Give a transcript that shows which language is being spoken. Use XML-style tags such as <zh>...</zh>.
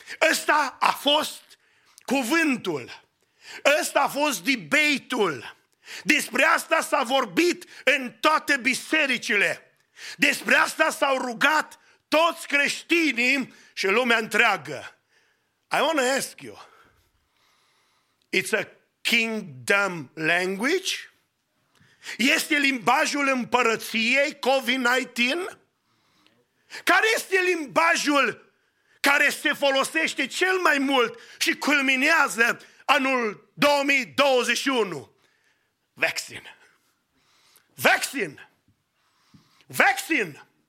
<ro>Ăsta a fost cuvântul, ăsta a fost debate-ul. Despre asta s-a vorbit în toate bisericile. Despre asta s-au rugat toți creștinii și lumea întreagă.</ro> <en>I want to ask you, it's a kingdom language?</en> <ro>Este limbajul împărăției COVID-19? Care este limbajul care se folosește cel mai mult și culminează anul 2021?</ro> <en>Vaccine. Vaccine. Vaccine.</en>